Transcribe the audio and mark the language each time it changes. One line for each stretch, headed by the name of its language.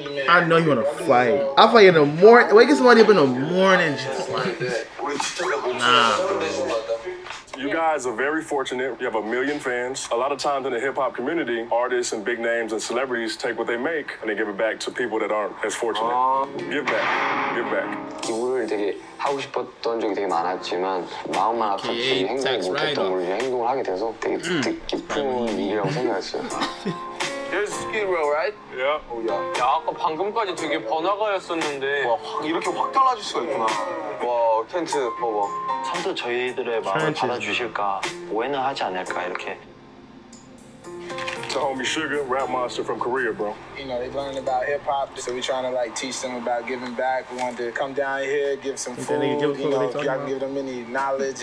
English: I know you want to fight. I'll fight in the morning. Wake somebody up in the morning just like that. You guys are very fortunate. You have a million fans. A lot of times in the hip-hop community, artists and big names and celebrities take what they make and they give it back to people that aren't as fortunate. Give back.
Korean: 기부를 되게 하고 싶었던 적이 되게 많았지만 마음만 아팠지 행동을 못했던 걸 이제 행동을 하게 돼서 되게 기쁜 일이라고 생각했어요.
English: There's Skid Row, right? Yeah. Oh, yeah.
Korean: 야, 아까 방금까지 되게 번화가였었는데 와, 확 이렇게 확 달라질 수가 있구나. 와, 텐트 봐봐. 참도 저희들의 마음을 받아주실까? 오해는 하지 않을까, 이렇게.
English: To homie Sugar, rap monster from Korea, bro. You know, they're learning about hip-hop, so we're trying to, like, teach them about giving back. We want to come down here, give some food, you know, y'all can give them any knowledge.